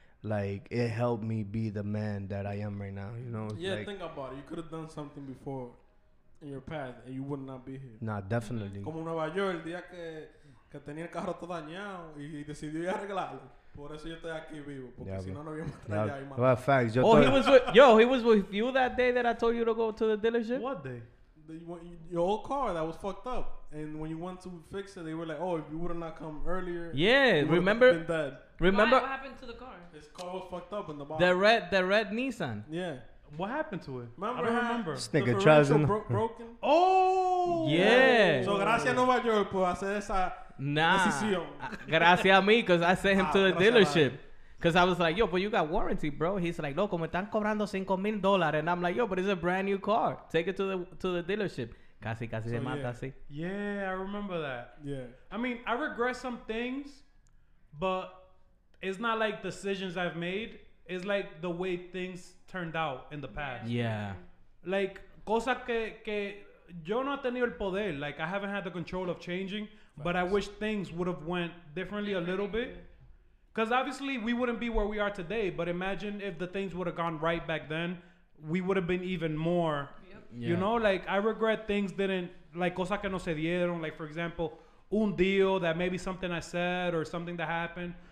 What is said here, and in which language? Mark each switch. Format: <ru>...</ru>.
<en>like, it helped me be the man that I am right now, you know? Yeah, like, think about it. You could have done something before in your path, and you would not be here. Nah, definitely.</en> <es>Como Nueva York, el día que tenía el carro todo dañado y decidió ir a arreglarlo. Por eso yo estoy aquí vivo, porque si no, no habíamos traído ahí más. Facts.</es> <en>He was with you that day that I told you to go to the dealership? What day? Your old car that was fucked up. And when you went to fix it, they were like, oh, if you would have not come earlier. Yeah, remember? Been dead. Remember? What happened to the car? His car was fucked up in the bottom. The red Nissan. Yeah. What happened to it? Remember? I don't remember. Snicker Chasm. Broken. Oh! Yeah.</en> <es>So, gracias Nueva York por hacer esa decisión. Gracias a mí,</es> <en>because I sent him to the dealership. Because I was like, yo, but you got warranty, bro. He's like,</en> <es>loco, me están cobrando $5,000.</es> <en>And I'm like, yo, but it's a brand new car. Take it to the dealership.</en> <es>Casi se mata, sí.</es> <en>Yeah, I remember that. Yeah. I mean, I regret some things, but it's not like decisions I've made. It's like the way things turned out in the past. Yeah.</en> <es>Like, cosas que yo no he tenido el poder.</es> <en>Like, I haven't had the control of changing, but I wish things would have went differently a little bit. Because obviously we wouldn't be where we are today, but imagine if the things would have gone right back then, we would have been even more, you know? Like, I regret things didn't, like,</en> <es>cosas que no se dieron,</es> <en>like, for example, un deal that maybe something I said or something that happened.</en>